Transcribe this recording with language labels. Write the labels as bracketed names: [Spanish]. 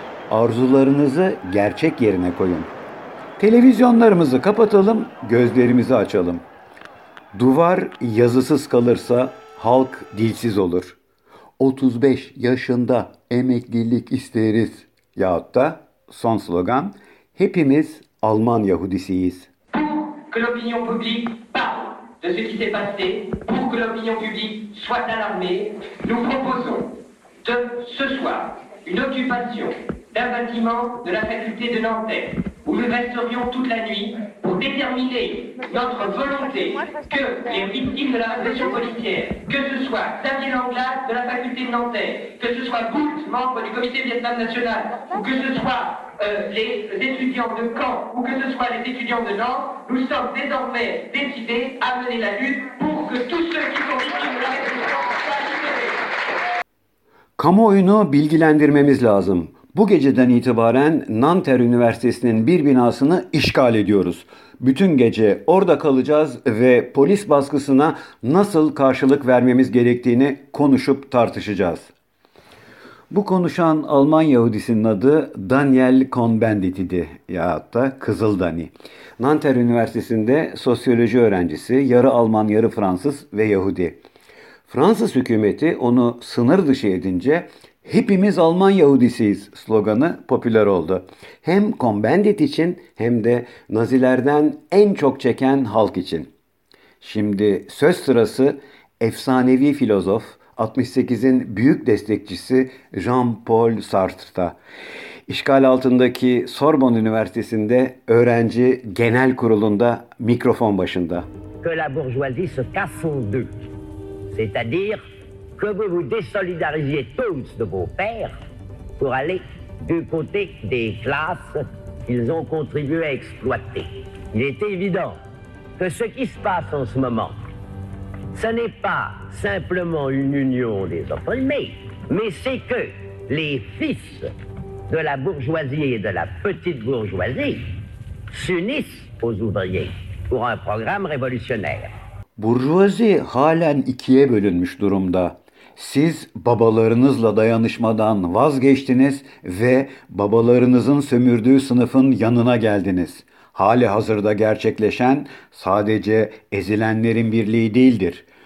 [Turkish] Arzularınızı gerçek yerine koyun. Televizyonlarımızı kapatalım, gözlerimizi açalım. Duvar yazısız kalırsa halk dilsiz olur. 35 yaşında emeklilik isteriz. Yahut da son slogan, hepimiz Alman Yahudisiyiz. [French] De ce qui s'est passé, pour que l'opinion publique soit alarmée, nous proposons de ce soir une occupation d'un bâtiment de la faculté de Nanterre, où nous resterions toute la nuit pour déterminer notre volonté que les victimes de la répression policière, que ce soit Xavier Langlade de la faculté de Nanterre, que ce soit Gout, membre du comité Vietnam National, ou que ce soit les étudiants de Caen, ou que ce soit les étudiants de Nantes, nous sommes désormais décidés à mener la lutte pour que tous ceux qui sont victimes de la répression soient libérés. [Turkish] Kamuoyunu bilgilendirmemiz lazım. Bu geceden itibaren Nanterre Üniversitesi'nin bir binasını işgal ediyoruz. Bütün gece orada kalacağız ve polis baskısına nasıl karşılık vermemiz gerektiğini konuşup tartışacağız. Bu konuşan Alman Yahudisinin adı Daniel Cohn-Bendit idi, yahut da Kızıl Dani. Nanterre Üniversitesi'nde sosyoloji öğrencisi, yarı Alman yarı Fransız ve Yahudi. Fransız hükümeti onu sınır dışı edince "Hepimiz Alman Yahudisiyiz" sloganı popüler oldu. Hem Cohn-Bendit için hem de Nazilerden en çok çeken halk için. Şimdi söz sırası efsanevi filozof, 68'in büyük destekçisi Jean-Paul Sartre'da. İşgal altındaki Sorbonne Üniversitesi'nde öğrenci genel kurulunda mikrofon başında. [French] Que la bourgeoisie se casse en deux. C'est-à-dire que vous vous désolidarisiez tous de vos pères pour aller du côté des classes qu'ils ont contribué à exploiter. Il est évident que ce qui se passe en ce moment, ce n'est pas simplement une union des opprimés, mais c'est que les fils de la bourgeoisie et de la petite bourgeoisie s'unissent aux ouvriers pour un programme révolutionnaire. [Turkish] Burjuvazi halen ikiye bölünmüş durumda. Siz babalarınızla dayanışmadan vazgeçtiniz ve babalarınızın sömürdüğü sınıfın yanına geldiniz. Hali hazırda gerçekleşen sadece ezilenlerin birliği değildir.